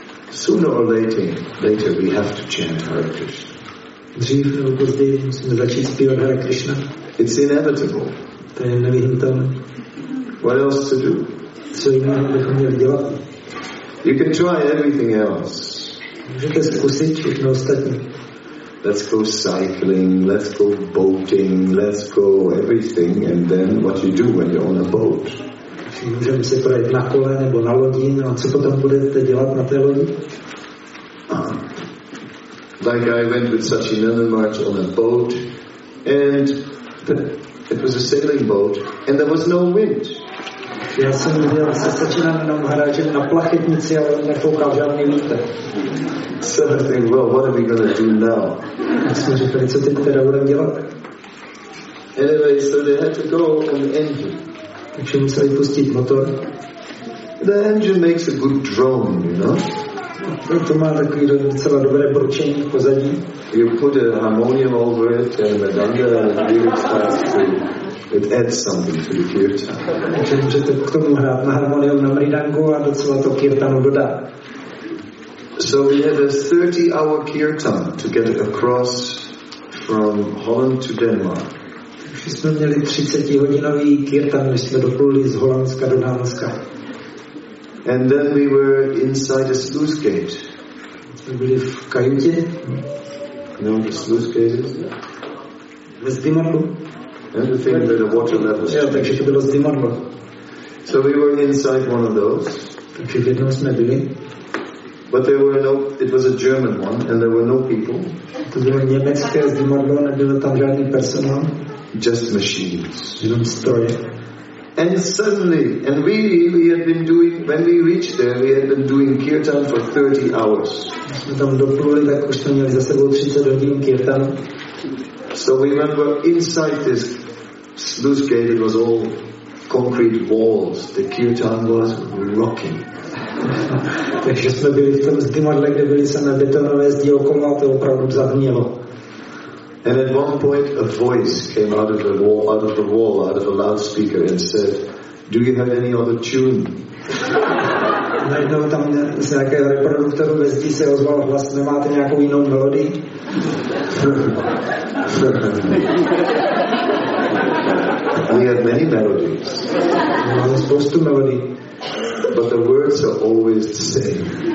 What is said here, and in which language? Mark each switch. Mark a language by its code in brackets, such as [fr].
[en] Sooner or later we have to chant Hare Krishna. [cs] Dřív nebo později musíme začít zpívat Hare Krishna. [en] It's inevitable. [cs] To je nevyhnutelné. [en] What else to do? [cs] Co jiného bychom měli dělat? [en] You can try everything else. [cs] Můžete zkusit všechno ostatní. [en] Let's go cycling, let's go boating, let's go everything, and then what you do when you're on a boat. [cs] Můžeme se projet na kole nebo na lodi, no a co potom budete dělat na té lodi? [en] Like I went with Sachin Nilanmarch on a boat, and it was a sailing boat, and there was no wind. [cs] Já jsem viděl se Sachinem jenom hráčem na plachetnici, ale nefoukal žádný vítr. [en] So I think, well, what are we going to do now? [cs] Já jsem říkal, co teď teda budeme dělat? [en] Anyway, so they had to go on the engine. [cs] Takže museli pustit motor. [en] The engine makes a good drone, you know? [cs] To má takový docela dobré bručení v pozadí. [en] You put a harmonium over it and a medanga and it starts to... It adds something to the kirtan. [cs] Takže můžete k tomu hrát na harmonium na mridangu a docela to kirtanu dodá. [en] So we had a 30-hour kirtan to get across from Holland to Denmark. [cs] Takže jsme měli 30-hodinový kirtan, když jsme dopluli z Holandska do Dánska. [en] And then we were inside a sluice gate. [cs] Jsme byli v kajutě. [en] No, the sluice gate is there. [cs] Ve Zdymadlu. [en] And the thing that the water level changed. [cs] Yeah, takže to bylo zdymadlo. [en] So we were inside one of those. [cs] Takže v jednom jsme byli. [en] But there were no, it was a German one, and there were no people. [cs] To bylo německé zdymadlo, nebylo tam žádný personál. [en] Just machines. [cs] Jenom stroje. [en] And suddenly, and when we reached there, we had been doing kirtan for 30 hours. [cs] Jsme tam dopluli, tak už jsme měli za sebou 30 hodin kirtan. [en] So we remember inside this sluice gate, it was all concrete walls. The kirtan was rocking. [cs] Takže jsme byli v tom zdymadle, kde byli se na betonové zdi okolo, to opravdu zahnělo. [en] And at one point a voice came out of the wall, out of the loudspeaker and said, "Do you have any other tune?" [cs] Najednou tam z nějakého reproduktoru ve zdi se ozval hlas, nemáte nějakou jinou melodii? [en] We had many melodies. [cs] Máme spoustu melodii. [en] But the words are always the same.